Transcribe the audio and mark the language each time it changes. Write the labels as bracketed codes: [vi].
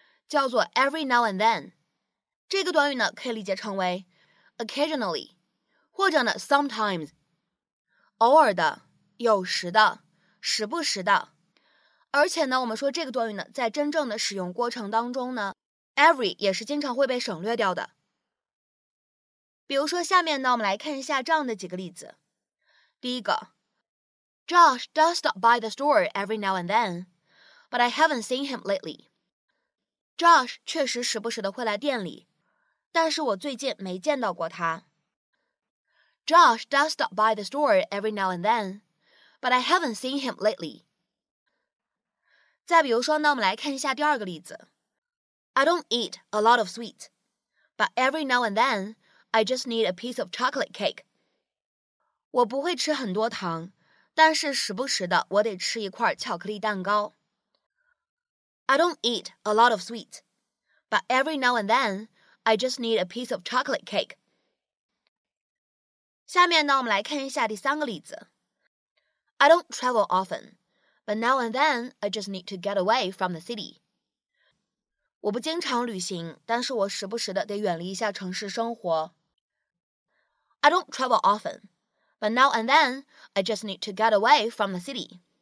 [zh] 叫做 every now and then， 这个短语呢可以理解成为 occasionally， 或者呢 sometimes， 偶尔的、有时的、时不时的。而且呢，我们说这个短语呢，在真正的使用过程当中呢， every 也是经常会被省略掉的。比如说下面呢，我们来看一下这样的几个例子。第一个 [en] ，Josh does stop by the store every now and then， but I haven't seen him lately。 [zh] Josh 确实时不时的会来店里，但是我最近没见到过他。 [en] Josh does stop by the store every now and then, but I haven't seen him lately. [zh] 再比如说呢，我们来看一下第二个例子。 [en] I don't eat a lot of sweets, but every now and then, I just need a piece of chocolate cake. [zh] 我不会吃很多糖，但是时不时的我得吃一块巧克力蛋糕。 [en] I don't eat a lot of sweets, but every now and then, I just need a piece of chocolate cake. [zh] 下面呢，我们来看一下第三个例子。 [en] I don't travel often, but now and then, I just need to get away from the city. [zh] 我不经常旅行，但是我时不时的得远离一下城市生活。 [en] I don't travel often, but now and then, I just need to get away from the city.